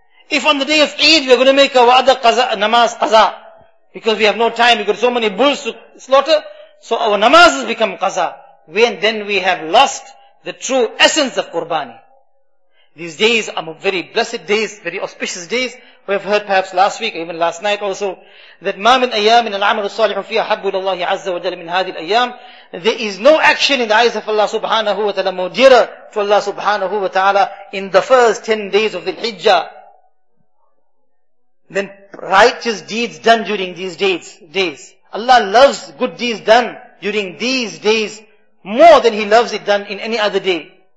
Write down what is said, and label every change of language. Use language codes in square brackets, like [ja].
[en] If on the day of Eid we are going to make our other qaza, namaz qaza, because we have no time, we've got so many bulls to slaughter, so our namaz has become qaza. Then we have lost the true essence of qurbani. These days are very blessed days, very auspicious days. We have heard perhaps last week, even last night also, that [ar] مَا مِنْ أَيَّامٍ الْعَمَلُ الصَّالِحُ فِيهَا حَبُّ لَاللَّهِ عَزَّ وَجَلَ مِنْ هَذِي الْأَيَّامِ. [en] There is no action in the eyes of Allah subhanahu wa ta'ala more dearer to Allah subhanahu wa ta'ala in the first 10 days of the Hijjah than righteous deeds done during these days. Allah loves good deeds done during these days more than he loves it done in any other day.